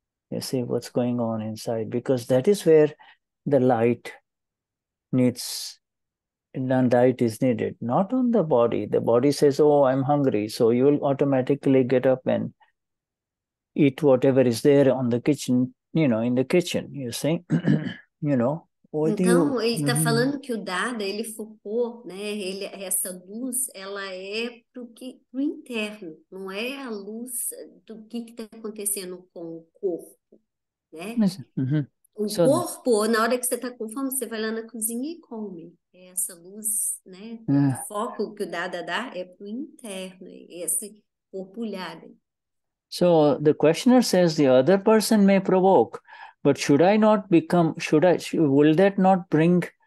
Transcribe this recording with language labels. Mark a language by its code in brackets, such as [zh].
[en] You see, what's going on inside? Because that is where the light... needs, and diet is needed, not on the body. The body says, oh, I'm hungry. So you will automatically get up and eat whatever is there on the kitchen, you know, in the kitchen, you see, you know. What então, you... [pt] ele está falando que o Dada, ele focou, né, ele, essa luz, ela é pro interno, não é a luz do que está acontecendo com o corpo, né? Mas, O corpo, na hora que você está com fome, você vai lá na cozinha e come. Essa luz, né? O foco que o Dada dá é para o interno, esse corpo olhado. [en] So, the questioner says the other person may provoke, but should I not become, should I, will that not bring